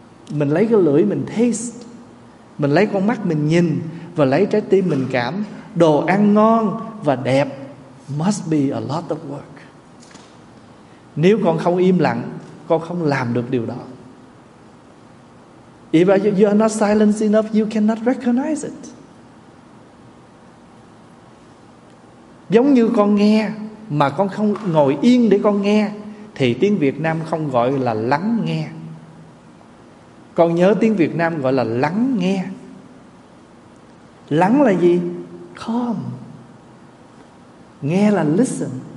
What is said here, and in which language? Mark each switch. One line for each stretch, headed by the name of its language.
Vietnamese: Mình lấy cái lưỡi mình taste. Mình lấy con mắt mình nhìn và lấy trái tim mình cảm. Đồ ăn ngon và đẹp
English: must be a lot of work.
Vietnamese: Nếu con không im lặng, con không làm được điều đó.
English: If you are not silent enough, you cannot recognize it.
Vietnamese: Giống như con nghe mà con không ngồi yên để con nghe thì tiếng Việt Nam không gọi là lắng nghe. Con nhớ tiếng Việt Nam gọi là lắng nghe. Lắng là gì? Calm. Nghe là listen.